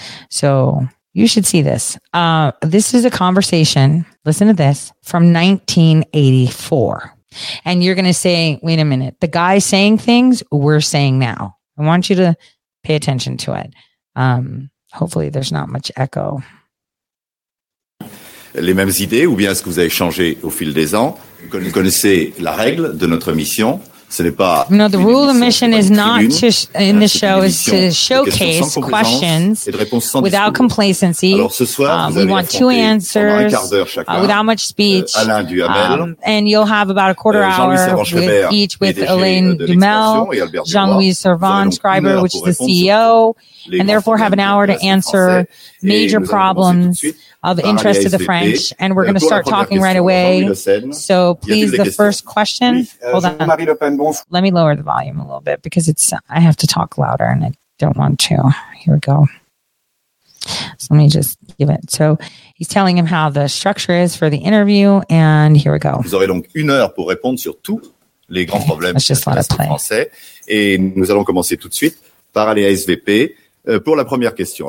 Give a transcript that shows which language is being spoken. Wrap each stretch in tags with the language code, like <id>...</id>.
<en>So you should see this. This is a conversation, listen to this, from 1984. And you're going to say, wait a minute, the guy saying things we're saying now. I want you to pay attention to it. Hopefully there's not much echo.</en> <fr>Les mêmes idées, ou bien est-ce que vous avez changé au fil des ans? Vous connaissez la règle de notre mission. Ce n'est pas.</fr> <en>No, the rule of mission is not to, in the show, is to showcase questions without complacency.</en> <fr>Alors ce soir,</fr> <en>we want two answers</en> <fr>chacun,</fr> <en>without much speech.</en> <fr>Alain Duhamel,</fr> <en>and you'll have about a quarter hour with each with Alain Duhamel, Jean-Louis Servant, Scriber, which is the CEO, and therefore have an hour to answer major problems of interest to the French, and we're going to start talking right away. So please, the first question. Hold on. Let me lower the volume a little bit because it's. I have to talk louder and I don't want to. Here we go. So let me just give it. So he's telling him how the structure is for the interview, and here we go.</en> <fr>Vous aurez donc une heure pour répondre sur tous les grands problèmes français, et nous allons commencer tout de suite par aller à SVP pour la première question.</fr>